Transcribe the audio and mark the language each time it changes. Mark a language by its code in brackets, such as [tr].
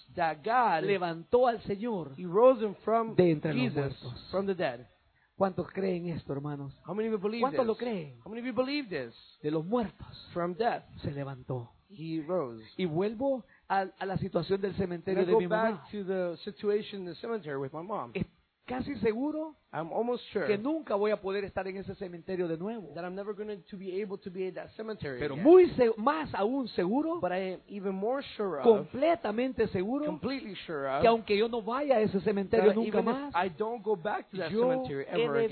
[en] that God, [es] levantó al Señor, [en] he rose him from, [es] de entre [en] Jesus, [es] los muertos, [en] from the dead. [es] ¿Cuántos creen esto, hermanos? [en] How many of you believe [es] ¿Cuántos [en] this? [es] Lo creen? [en] How many of you believe this? [es] De los muertos, [en] from death, [es] se levantó, [en] he rose. [es] Y vuelvo a la situación del cementerio de mi mamá. [en] Back to the situation in the cemetery with my mom. [es] Casi seguro, [en] I'm almost sure, [es] que nunca voy a poder estar en ese cementerio de nuevo. [en] That I'm never going to be able to be in that cemetery. [es] Pero [en] again, [es] muy más aún seguro, [en] but I am even more sure of, [es] completamente seguro, [en] completely sure of, [es] que aunque yo no vaya a ese cementerio nunca más, [en] I don't go back to that cemetery ever again,